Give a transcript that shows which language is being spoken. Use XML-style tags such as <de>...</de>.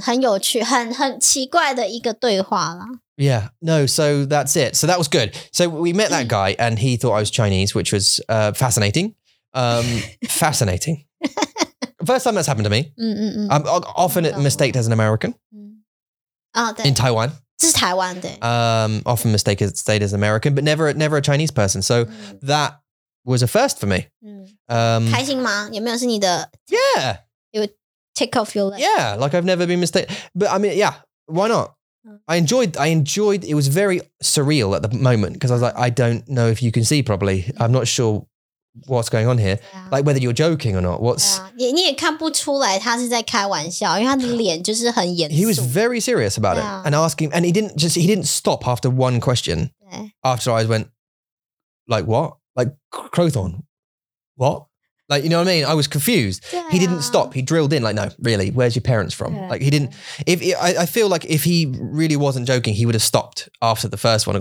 <zh>很有趣，很奇怪的一个对话啦。</zh> <en>Yeah, no, so that's it. So that was good. So we met that guy and he thought I was Chinese, which was fascinating. Fascinating. First time that's happened to me. Mm-mm-mm. I'm often mistaken as an American. Oh, in Taiwan. This is Taiwan, often mistaken as an American, but never a Chinese person. So that was a first for me. Yeah. It would tick off your list. Yeah, like I've never been mistaken. But I mean, yeah, why not? I enjoyed, it was very surreal at the moment because I was like, I don't know if you can see properly. I'm not sure what's going on here. Yeah. Like whether you're joking or not. What's... Yeah.</en> <zh>你也看不出来他是在开玩笑,因为他的脸就是很严肃。</zh> <en>He was very serious about it and asking, and he didn't stop after one question. Yeah. After I went, like what? Like Crowthorn, what? Like, you know what I mean? I was confused. Yeah. He didn't stop. He drilled in like, no, really, where's your parents from? Yeah. Like he didn't, I feel like if he really wasn't joking, he would have stopped after the first one.</en>